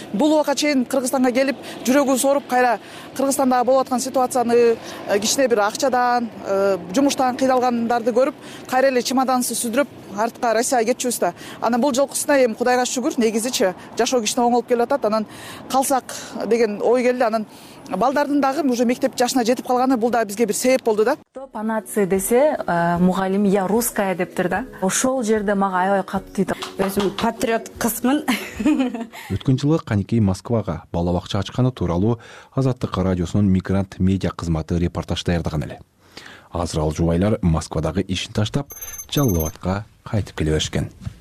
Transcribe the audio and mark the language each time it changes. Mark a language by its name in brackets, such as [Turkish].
[Kyrgyz] Бул убакка чейин Кыргызстанга келип жүрөгүбүз ооруп, кайра Кыргызстанда болуп аткан ситуацияны, кичине бир акчадан жумуштан кыйналгандарды көрүп, кайра эле чемоданыбызды сүздүрүп артка Россияга кетчүбүз да. Анан бул жолкусуна эми кудайга шүгүр, негизичи жашоо кичине оңолуп келип атат. Анан калсак деген ой келди. Анан балдардын дагы уже мектеп жашына жетип калганы бул дагы бизге бир себеп болду да. [Russian] Кто по нации [Kyrgyz] десе мугалим [Russian] я русская [Kyrgyz] дептир да. Ошол жерде мага аябай катуу тийди. Өзүм патриот кызмын. Өткөн жылы каникей Москвага бала бакча ачканы тууралуу Азаттык радиосунун мигрант медиа кызматы репортаж даярдаган эле. Азыр ал жубайлар Москвадагы ишин таштап Жалалабадка кайтып келе беришкен.